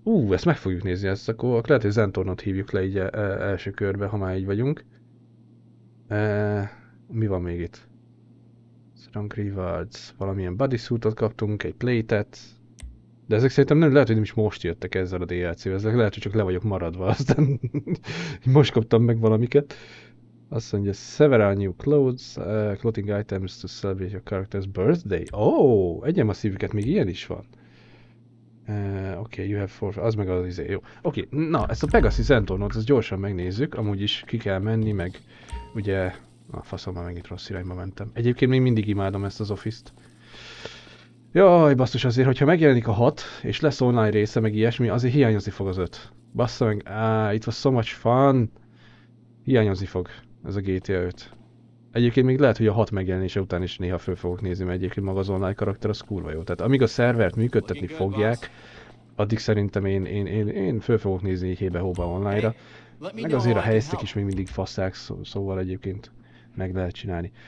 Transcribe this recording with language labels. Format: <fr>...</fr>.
<hu>Ezt meg fogjuk nézni ezt, akkor lehet, hogy Zentornot hívjuk le így első körbe, ha már így vagyunk. Mi van még itt? Strong Rewards, valamilyen bodysuitot kaptunk, egy plate-et. De ezek szerintem lehet, hogy nem is most jöttek ezzel a DLC-vel, ezek lehet, hogy csak le vagyok maradva, aztán most kaptam meg valamiket. Azt mondja,</hu> <en>several new clothes, clothing items to celebrate your character's birthday.</en> <hu>Oh, egyem a szívüket, még ilyen is van. Oké, okay,</hu> <en>you have four,</en> <hu>az meg az izé, jó. Oké, okay, na, ezt a Pegasus Antonot, ezt gyorsan megnézzük, amúgy is ki kell menni, meg ugye, na faszom, már megint rossz irányba mentem. Egyébként még mindig imádom ezt az Office-t. Jaj, basszus, azért, hogyha megjelenik a 6, és lesz online része, meg ilyesmi, azért hiányozni fog az 5. Bassza meg,</hu> <en>it was so much fun.</en> <hu>Hiányozni fog ez a GTA 5. Egyébként még lehet, hogy a 6 megjelenése után is néha föl fogok nézni, mert egyébként maga az online karakter az kurva jó. Tehát amíg a szervert működtetni fogják, addig szerintem én föl fogok nézni hébe-hóba online-ra. Meg azért a helyszínek is még mindig faszák, szóval egyébként meg lehet csinálni.</hu>